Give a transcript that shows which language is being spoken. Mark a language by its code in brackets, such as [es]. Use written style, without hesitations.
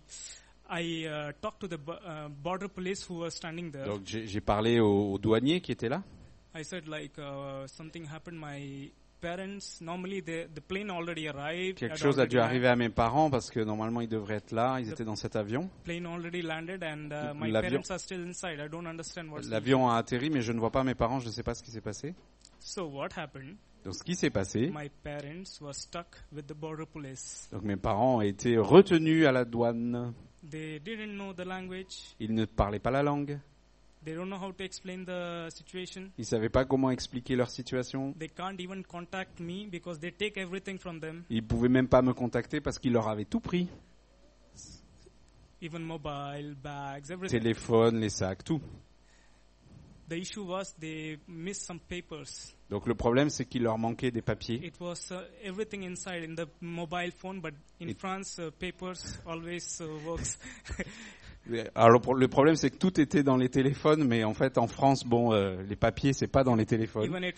[en] So I talked to the border police who were standing there. [fr] Donc j'ai parlé au douanier qui était là. [en] I said like something happened my parents, normally the plane already arrived. [fr] Quelque chose a dû arriver à mes parents parce que normalement ils devraient être là, ils étaient dans cet avion. [en] Plane already landed and my parents are still inside. I don't understand what's going on. [fr] L'avion a atterri mais je ne vois pas mes parents, je ne sais pas ce qui s'est passé. [en] So what happened? [fr] Donc ce qui s'est passé? [en] My parents were stuck with the border police. [fr] Donc mes parents ont été retenus à la douane. [en] They didn't know the language. [fr] Ils ne parlaient pas la langue. [en] They don't know how to explain the situation. [fr] Ils ne savaient pas comment expliquer leur situation. [en] They can't even contact me because they take everything from them. [fr] Ils ne pouvaient même pas me contacter parce qu'ils leur avaient tout pris. [en] Even mobile, bags, everything. [fr] Téléphone, les sacs, tout. [en] The issue was they missed some papers. [fr] Donc le problème, c'est qu'il leur manquait des papiers. [en] It was everything inside in the mobile phone, but in France, papers always works. [fr] Alors le problème c'est que tout était dans les téléphones, mais en fait en France, bon, les papiers c'est pas dans les téléphones.